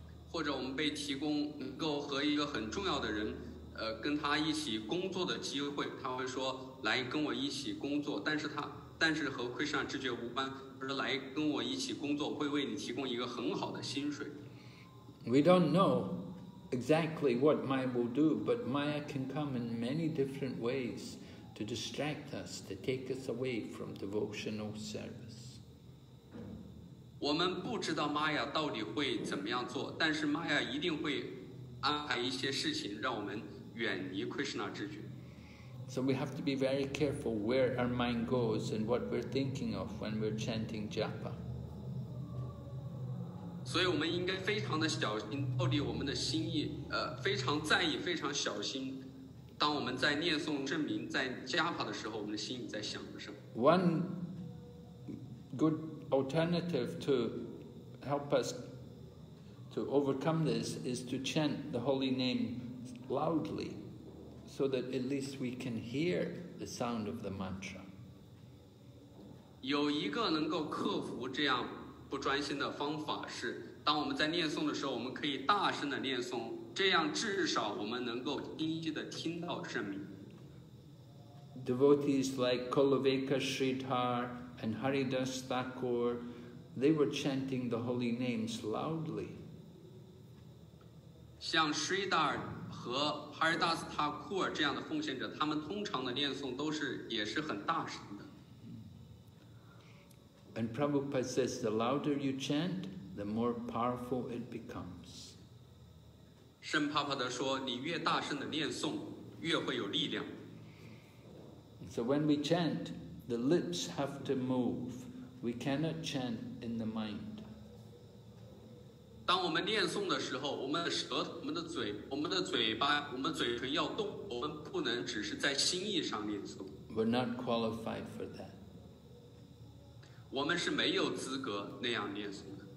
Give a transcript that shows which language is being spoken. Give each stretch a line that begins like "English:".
Chinese: 或者我们被提供能够和一个很重要的人，跟他一起工作的机会，他会说来跟我一起工作。但是和 Krishna 直觉无关，就是来跟我一起工作，会为你提供一个很好的薪水。
English: We don't know exactly what Maya will do, but Maya can come in many different ways to distract us, to take us away from devotional service.
Chinese: 我们不知道玛雅到底会怎么样做，但是玛雅一定会安排一些事情让我们远离 Krishna 知觉。
English: So we have to be very careful where our mind goes and what we're thinking of when we're chanting japa.
Chinese: 所以我们应该非常的小心，到底我们的心意，非常在意，非常小心。当我们在念诵证明在japa的时候，我们的心意在想着什么
English: ？One good. Alternative to help us To overcome this is to chant the holy name loudly, so that at least we can hear the sound of the mantra.
Chinese: 有一个能够克服这样不专心的方法是，当我们在念诵的时候，我们可以大声的念诵，这样至少我们能够清晰的听到声音。
English: Devotees like Koloveka Sridhar and Haridas Thakur, they were chanting the holy names loudly.
Chinese: 像 Sridhar 和 Haridas Thakur 这样的奉献者，他们通常的念诵都是也是很大声的。
English: And Prabhupada says, the louder you chant, the more powerful it becomes.
Chinese: 圣帕帕德说，你越大声的念诵，越会有力量。
English: So when we chant, the lips have to move. We cannot chant in the mind.
Chinese: 当我们念诵的时候，我们的舌头、我们的嘴、我们的嘴巴、我们嘴唇要动，我们不能只是在心意上念诵。
English: We're not qualified for that.
Chinese: 我们是没有资格那样念诵的。